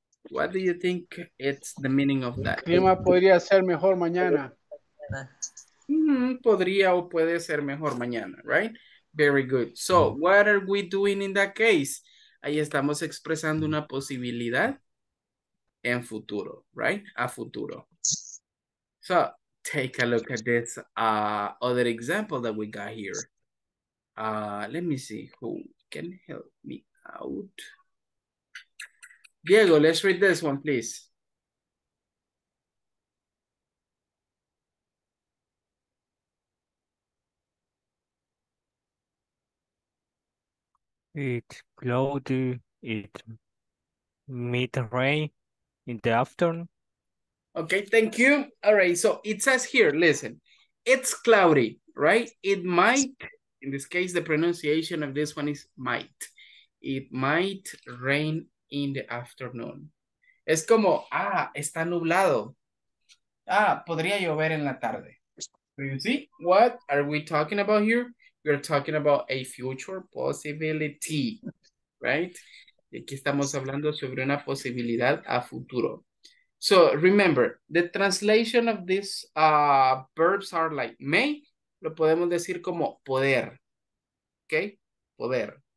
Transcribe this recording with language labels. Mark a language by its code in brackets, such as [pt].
[en] What do you think it's the meaning of that? [es] El clima podría ser mejor mañana. Podría o puede ser mejor mañana, [en] right? Very good. So, what are we doing in that case? [es] Ahí estamos expresando una posibilidad en futuro, [en] right? [es] A futuro. [en] So, take a look at this other example that we got here. Let me see who can help me out. Diego, let's read this one, please. It's cloudy, it mid-rain in the afternoon. Okay, thank you. All right, so it says here, listen, it's cloudy, right? It might, in this case, the pronunciation of this one is might. It might rain in the afternoon. [es] Es como, ah, está nublado. Ah, podría llover en la tarde. [en] Do you see what are we talking about here? We're talking about a future possibility, right? [es] Y aquí estamos hablando sobre una posibilidad a futuro. [en] So remember, the translation of these verbs are like may, [es] lo podemos decir como poder, [en] okay? [es] Poder.